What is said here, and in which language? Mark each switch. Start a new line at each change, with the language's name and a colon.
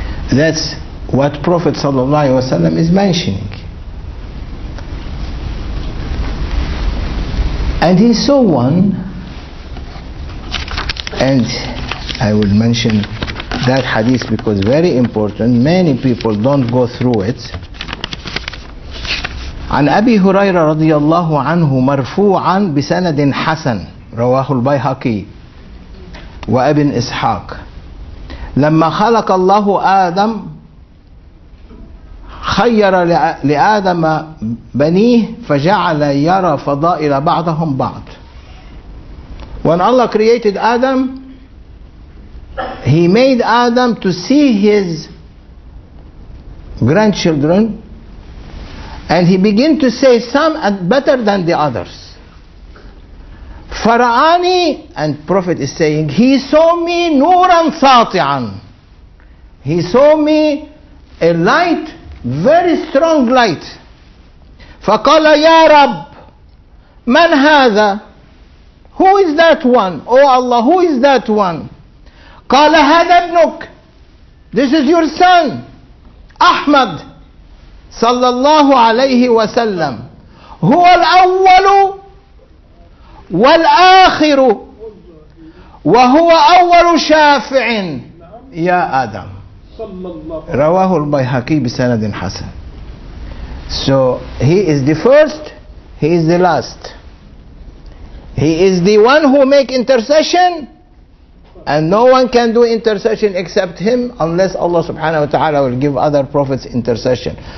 English: That's what Prophet sallallahu alaihi wasallam is mentioning. And he saw one, and I will mention that hadith because very important, many people don't go through it.
Arabic: عن أبي هريرة رضي الله عنه مرفوعا بسند حسن رواه البيهقي وابن إسحاق. لما خلق الله آدم خير لآدم بنيه فجعل يرى فضائل بعضهم بعض.
English: When Allah created Adam, he made Adam to see his grandchildren, and he began to say some better than the others.
Arabic: فرآني,
English: and Prophet is saying, he saw me
Arabic: نورا ساطعا.
English: He saw me a light, very strong light.
Arabic: فقال يا رب من هذا,
English: who is that one, oh Allah, who is that one?
Arabic: قال هذا ابنك,
English: this is your son
Arabic: أحمد صلى الله عليه وسلم, هو الأول والآخر وهو أول شافع يا آدم. رواه البيهقي بسند حسن.
English: So he is the first, he is the last. He is the one who make intercession, And no one can do intercession except him unless Allah subhanahu wa ta'ala will give other prophets intercession.